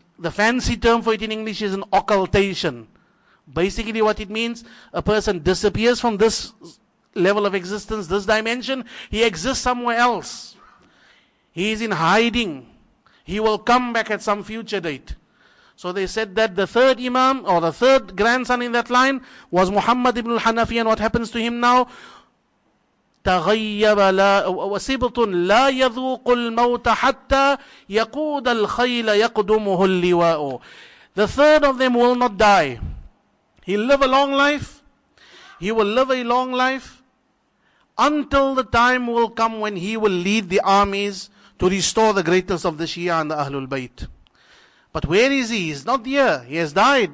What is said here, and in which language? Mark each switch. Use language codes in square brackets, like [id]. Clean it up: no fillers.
[en] The fancy term for it in English is an occultation. Basically what it means, a person disappears from this level of existence, this dimension. He exists somewhere else. He is in hiding. He will come back at some future date. So they said that the third imam, or the third grandson in that line, was Muhammad ibn al-Hanafi. And what happens to him now? [ar] تغيب لا وسبط لا يذوق الموت حتى يقود الخيل يقدمه اللواء. [en] The third of them will not die. He'll live a long life. He will live a long life until the time will come when he will lead the armies to restore the greatness of the Shia and the Ahlul Bayt. But where is he? He's not here. He has died.